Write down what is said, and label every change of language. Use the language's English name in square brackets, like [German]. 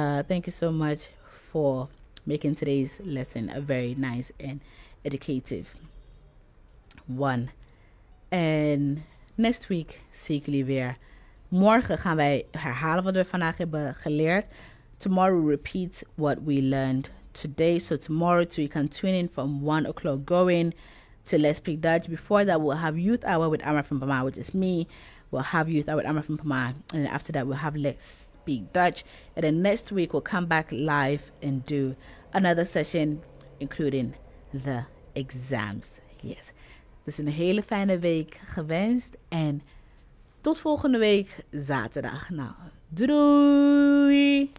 [English] Thank you so much for making today's lesson a very nice and educative one. And next week [Dutch] zie ik jullie weer. Morgen gaan wij herhalen wat we vandaag hebben geleerd. [English] Tomorrow repeat what we learned today. So tomorrow too, you can tune in from 1 o'clock going to Let's Speak Dutch. Before that, we'll have Youth Hour with Amra from Pama, which is me. We'll have Youth Hour with Amra from Pama. And after that, we'll have Let's Speak Dutch. And then next week, we'll come back live and do another session, including the exams. Yes. [Dutch] Dus een hele fijne week gewenst. En tot volgende week, zaterdag. Nou, doei!